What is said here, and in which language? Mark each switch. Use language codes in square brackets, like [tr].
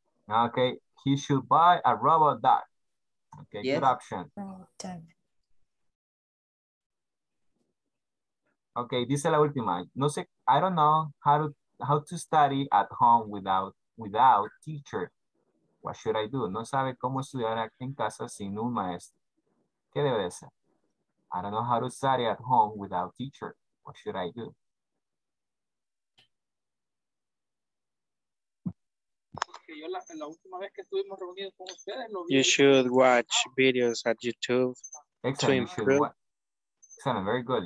[en] Okay, he should buy a robot dog. Okay, yes. Good option. Okay, this is [es] la última. No sé, [en] I don't know how to study at home without teacher. What should I do? [es] No sabe cómo estudiar en casa sin un maestro. ¿Qué debe de ser? [en] I don't know how to study at home without teacher. What should I do? You should watch videos at YouTube. Excellent. To improve. Excellent. Very good.